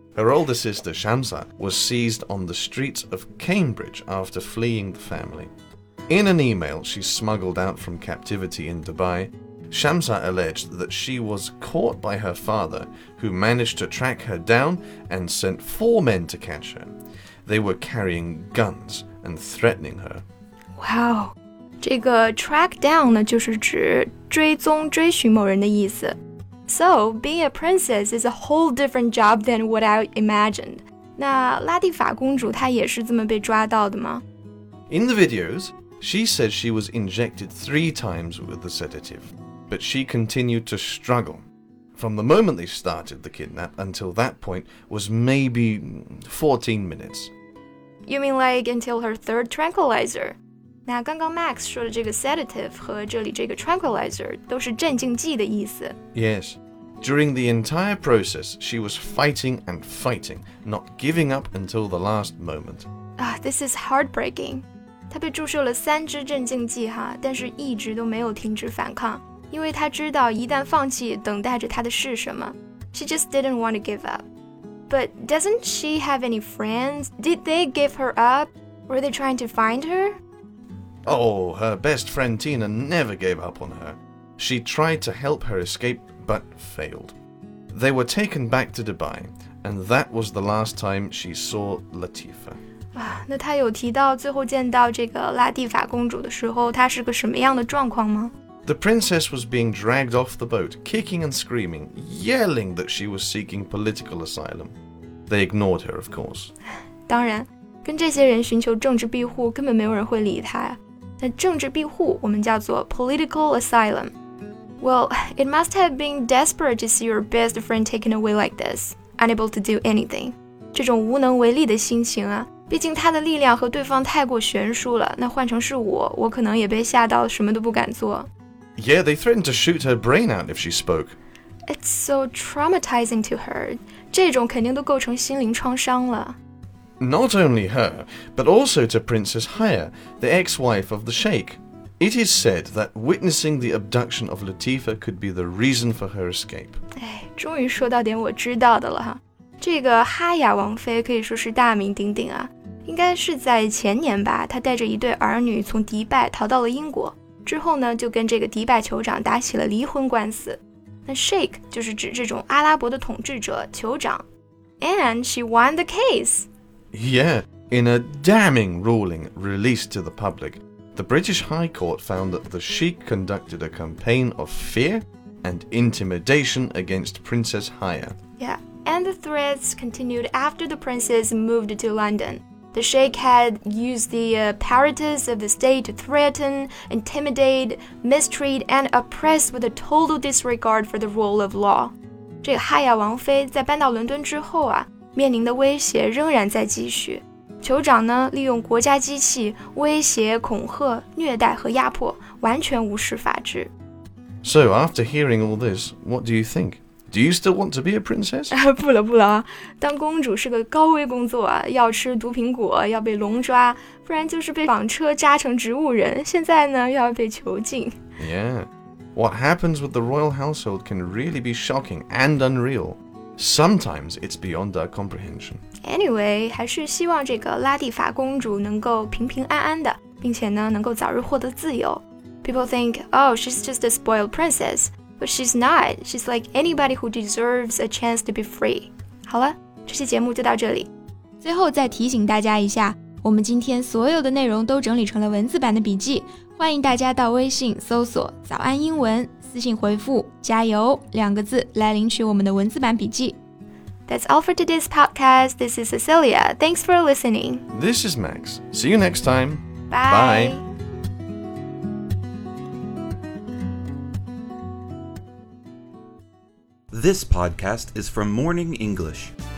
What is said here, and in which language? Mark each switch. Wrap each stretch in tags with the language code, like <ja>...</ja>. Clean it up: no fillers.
<en>Her older sister, Shamsa, was seized on the streets of Cambridge after fleeing the family. In an email she smuggled out from captivity in Dubai, Shamsa alleged that she was caught by her father, who managed to track her down and sent four men to catch her. They were carrying guns and threatening her.</en> <zh>Wow, 这个 track down 呢就是指追踪追寻某人的意思。</zh> <en>So, being a princess is a whole different job than what I imagined.</en> <zh>那拉蒂法公主她也是这么被抓到的吗?</zh> <en>In the videos, she said she was injected three times with the sedative, but she continued to struggle. From the moment they started the kidnap until that point was maybe 14 minutes. You mean like until her third tranquilizer?</en> <zh>那刚刚 Max 说的这个 sedative 和这里这个 tranquilizer 都是镇静剂的意思。</zh> <en>Yes. During the entire process, she was fighting and fighting, not giving up until the last moment. This is heartbreaking.</en> <zh>她被注射了三支镇静剂哈，但是一直都没有停止反抗，因为她知道一旦放弃，等待着她的是什么。</zh> <en>She just didn't want to give up. But doesn't she have any friends? Did they give her up? Were they trying to find her? Oh, her best friend Tina never gave up on her. She tried to help her escape, but failed. They were taken back to Dubai, and that was the last time she saw Latifa.</en> <zh>那她有提到最后见到这个拉蒂法公主的时候，她是个什么样的状况吗?</zh> <en>The princess was being dragged off the boat, kicking and screaming, yelling that she was seeking political asylum. They ignored her, of course.</en> <zh>当然，跟这些人寻求政治庇护，根本没有人会理她呀。那政治庇护我们叫做 political asylum.</zh> <en>Well, it must have been desperate to see your best friend taken away like this, unable to do anything.</en> <zh>这种无能为力的心情啊，毕竟他的力量和对方太过悬殊了。那换成是我，我可能也被吓到什么都不敢做。</zh> <en>Yeah, they threatened to shoot her brain out if she spoke. It's so traumatizing to her.</en> <zh>这种肯定都构成心灵创伤了。</zh> <en>Not only her, but also to Princess Haya, the ex-wife of the Sheikh. It is said that witnessing the abduction of Latifa could be the reason for her escape.</en> <zh>终于说到点我知道的了哈。这个哈雅王妃可以说是大名鼎鼎啊。应该是在前年吧，她带着一对儿女从迪拜逃到了英国。之后呢，就跟这个迪拜酋长打起了离婚官司。那 Sheikh 就是指这种阿拉伯的统治者酋长。</zh> <en>And she won the case. Yeah, in a damning ruling released to the public, the British High Court found that the Sheikh conducted a campaign of fear and intimidation against Princess Haya. Yeah, and the threats continued after the princess moved to London. The Sheikh had used the apparatus of the state to threaten, intimidate, mistreat, and oppress with a total disregard for the rule of law.</en> <zh>这个 Haya 王妃在搬到伦敦之后啊面临的威胁仍然在继续。酋长呢，利用国家机器威胁、恐吓、虐待和压迫，完全无视法治。</zh> <en>So after hearing all this, what do you think? Do you still want to be a princess?</en> <zh>不了不了，当公主是个高危工作，要吃毒苹果，要被龙抓，不然就是被纺车扎成植物人。现在呢，又要被囚禁。</zh> <en>Yeah, what happens with the royal household can really be shocking and unreal. Sometimes it's beyond our comprehension.</en> <zh>Anyway, 还是希望这个拉蒂法公主能够平平安安的，并且呢，能够早日获得自由。</zh> <en>People think, oh, she's just a spoiled princess. But she's not. She's like anybody who deserves a chance to be free.</en> <zh>好了，这期节目就到这里。最后再提醒大家一下，我们今天所有的内容都整理成了文字版的笔记，欢迎大家到微信搜索早安英文。私信回复加油两个字来领取我们的文字版笔记。</zh> <en>That's all for today's podcast. This is Cecilia. Thanks for listening. This is Max. See you next time. Bye. Bye. This podcast is from Morning English.</en>